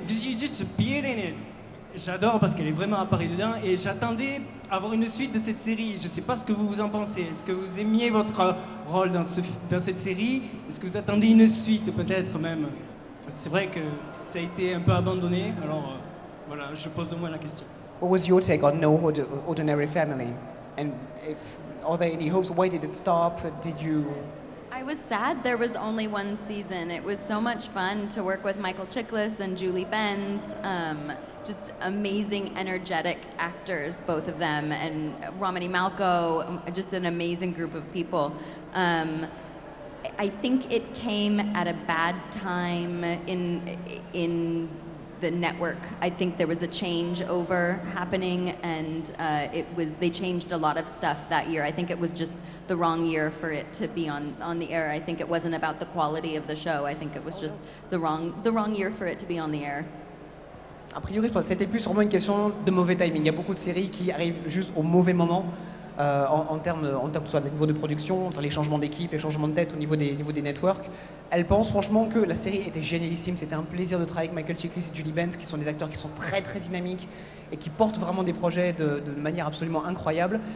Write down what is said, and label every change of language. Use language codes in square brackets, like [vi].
[en] You just appeared in it. [fr] J'adore parce qu'elle est vraiment apparue dedans et j'attendais avoir une suite de cette série. Je ne sais pas ce que vous en pensez. Est-ce que vous aimiez votre rôle dans cette série? Est-ce que vous attendez une suite peut-être même? Enfin, c'est vrai que ça a été un peu abandonné. Alors voilà, je pose au moins la question. [en] What was your take on No Ordinary Family? And if are there any hopes? Why did it stop? Did you? I was sad there was only one season. It was so much fun to work with Michael Chiklis and Julie Benz. Just amazing, energetic actors, both of them, and Romany Malco, just an amazing group of people. I think it came at a bad time in the network. I think there was a changeover happening, and it was they changed a lot of stuff that year. I think it was just the wrong year for it to be on the air. I think it wasn't about the quality of the show. I think it was just the wrong year for it to be on the air. [fr] A priori, c'était plus vraiment une question de mauvais timing. Il y a beaucoup de séries qui arrivent juste au mauvais moment. En termes soit des niveaux de production, entre les changements d'équipe, les changements de tête au niveau des networks. Elle pense franchement que la série était génialissime, c'était un plaisir de travailler avec Michael Chiklis et Julie Benz, qui sont des acteurs qui sont très très dynamiques et qui portent vraiment des projets de manière absolument incroyable.